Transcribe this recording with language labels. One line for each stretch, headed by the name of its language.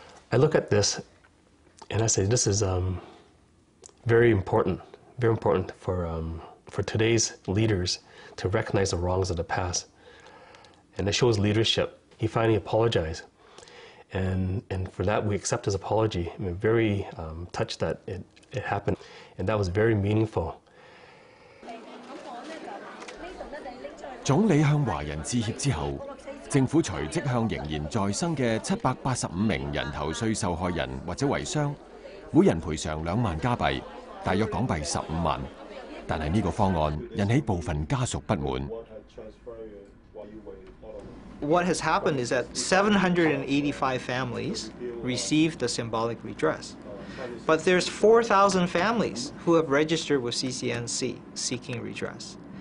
English: I look at this and I say this is very important for today's leaders to recognize the wrongs of the past, and it shows leadership. He finally apologized, and for that we accept his apology. I mean, very touched that it happened, and that was very meaningful.
Cantonese: 总理向华人致歉之后，政府随即向仍然在生的785名人头税受害人或者遗孀，每人赔偿20000加币，大约港币150000。但系呢个方案引起部分家属不满。
English: What has happened is that 785 families received the symbolic redress, but there's 4,000 families who have registered with CCNC seeking redress.